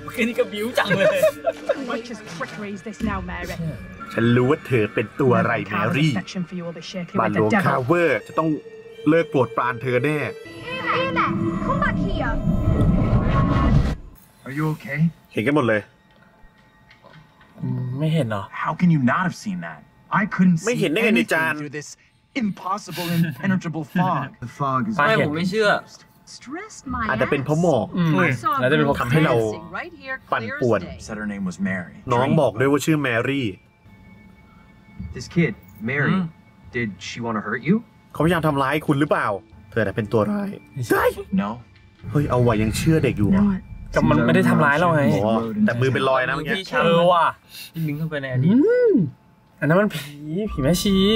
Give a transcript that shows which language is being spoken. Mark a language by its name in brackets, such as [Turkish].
[Thai] คือนี่ก็บิ้วจังเลย [English] Which is trickery is this now Mary [Thai] ฉันรู้ว่าเธอเป็นตัวอะไรแมรี่บาลโลคาเวอร์จะต้องเลิกโปรดปรานเธอแน่เฮ้ยแม่คุณมาที่อ่ะ [English] Are you okay [Thai] เห็นกันหมดเลย ไม่เห็นเหรอ [English] How can you not have seen that I couldn't see [Thai] ไม่เห็นได้ไงในจาน [English] Impossible impenetrable fog The fog is [Thai] ไม่ผมไม่เชื่ออ าจจะเป็นเพราะหมอก น่าจะเป็นเพราะ ทำให้เราปั่นป่วนน้องบอกด้วยว่าชื่อแมรี่ [English] This kid, Mary, did she want to hurt you? [Thai] เขาพยายามทำร้ายคุณหรือเปล่าเธอแต่เป็นตัวร้าย ได้ [English] No [Thai] เฮ้ยเอาไว้ยังเชื่อเด็กอยู่ก็มันไม่ได้ทำร้ายเราไง แต่มือเป็นรอยนะ เ มื่อกี้ เชื่อว่ะ ที่ลิงเข้าไปในอดีต อันนั้นมันผีแม่ชี